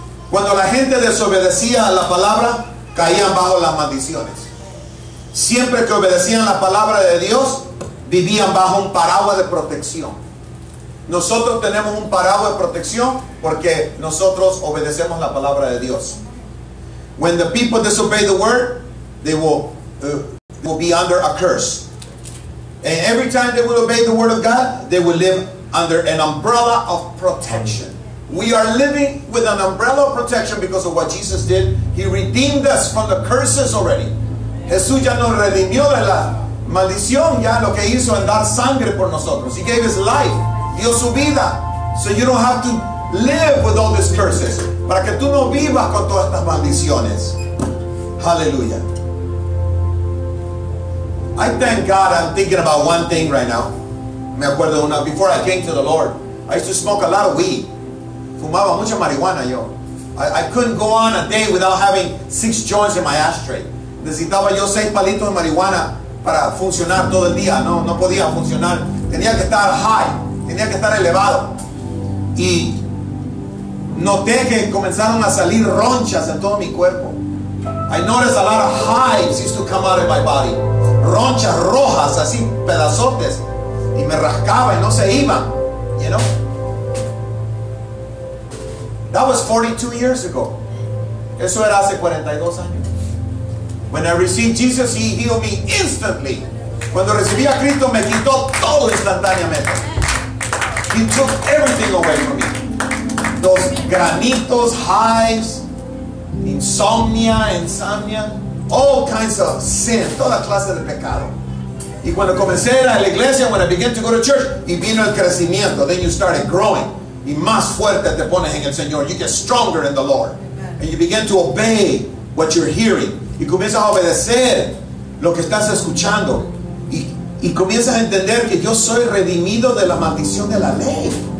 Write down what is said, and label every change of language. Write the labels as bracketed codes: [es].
[es] Cuando la gente desobedecía a la palabra, caían bajo las maldiciones. Siempre que obedecían la palabra de Dios, vivían bajo un paraguas de protección. Nosotros tenemos un paraguas de protección porque nosotros obedecemos la palabra de Dios. [en] When the people disobey the word, they will be under a curse. And every time they will obey the word of God, they will live under an umbrella of protection. We are living with an umbrella of protection because of what Jesus did. He redeemed us from the curses already. [es] Jesús ya nos redimió de la maldición, ya lo que hizo en dar sangre por nosotros. [en] He gave his life. [es] Dio su vida. [en] So you don't have to live with all these curses. [es] Para que tú no vivas con todas estas maldiciones. Hallelujah. [en] I thank God. I'm thinking about one thing right now. [es] Me acuerdo una. [en] Before I came to the Lord, I used to smoke a lot of weed. [es] Fumaba mucha marihuana yo. [en] I couldn't go on a day without having 6 joints in my ashtray. [es] Necesitaba yo 6 palitos de marihuana para funcionar todo el día. No, no podía funcionar. Tenía que estar high, tenía que estar elevado. Y noté que comenzaron a salir ronchas en todo mi cuerpo. [en] I noticed a lot of hives used to come out of my body. [es] Ronchas rojas, así, pedazotes. Y me rascaba y no se iba. [en] You know? That was 42 years ago. [es] Eso era hace 42 años. [en] When I received Jesus, he healed me instantly. [es] Cuando recibí a Cristo, me quitó todo instantáneamente. [en] He took everything away from me. [es] Los granitos, [en] hives, insomnia, all kinds of sin, [es] toda clase de pecado. Y cuando comencé a ir a la iglesia, [en] when I began to go to church, [es] y vino el crecimiento, [en] then you started growing. [es] Y más fuerte te pones en el Señor. [en] You get stronger in the Lord. And you begin to obey what you're hearing. [es] Y comienzas a obedecer lo que estás escuchando. Y comienzas a entender que yo soy redimido de la maldición de la ley.